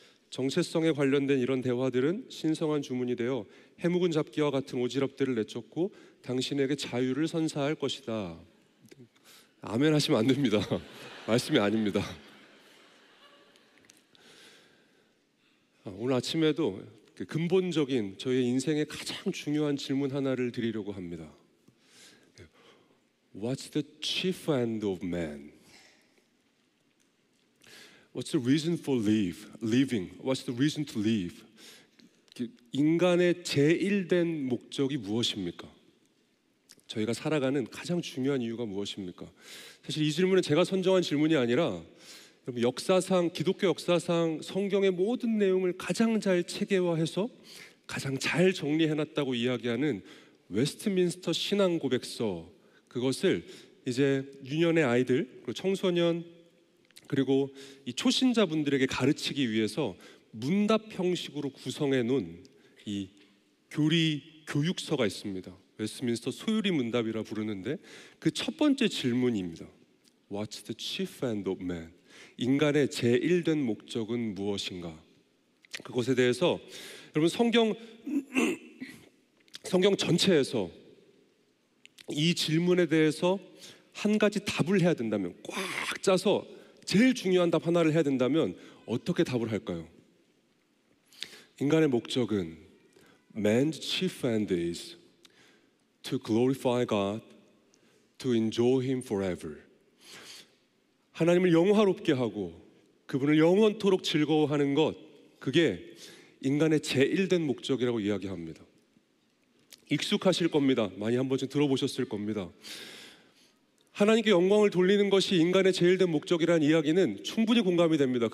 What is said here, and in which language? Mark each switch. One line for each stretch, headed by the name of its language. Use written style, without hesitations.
Korean: 정체성에 관련된 이런 대화들은 신성한 주문이 되어 해묵은 잡기와 같은 오지랖들을 내쫓고 당신에게 자유를 선사할 것이다. 아멘 하시면 안 됩니다. 말씀이 아닙니다. 오늘 아침에도 근본적인 저희 인생의 가장 중요한 질문 하나를 드리려고 합니다.
English: What's the chief end of man? What's the reason for living? What's the reason to live?
Korean: 인간의 제1된 목적이 무엇입니까? 저희가 살아가는 가장 중요한 이유가 무엇입니까? 사실 이 질문은 제가 선정한 질문이 아니라 여러분 역사상, 기독교 역사상 성경의 모든 내용을 가장 잘 체계화해서 가장 잘 정리해놨다고 이야기하는 웨스트민스터 신앙 고백서, 그것을 이제 유년의 아이들, 그리고 청소년, 그리고 이 초신자분들에게 가르치기 위해서 문답 형식으로 구성해놓은 이 교리 교육서가 있습니다. 웨스트민스터 소유리 문답이라 부르는데 그 첫 번째 질문입니다.
English: What's the chief end of man?
Korean: 인간의 제1된 목적은 무엇인가? 그것에 대해서 여러분 성경 전체에서 이 질문에 대해서 한 가지 답을 해야 된다면, 꽉 짜서 제일 중요한 답 하나를 해야 된다면 어떻게 답을 할까요? 인간의 목적은
English: Man's chief end is to glorify God, to enjoy Him forever.
Korean: 하나님을 영화롭게 하고 그분을 영원토록 즐거워하는 것, 그게 인간의 제1된 목적이라고 이야기합니다. 익숙하실 겁니다. 많이 한 번쯤 들어보셨을 겁니다. 하나님께 영광을 돌리는 것이 인간의 제1된 목적이라는 이야기는 충분히 공감이 됩니다.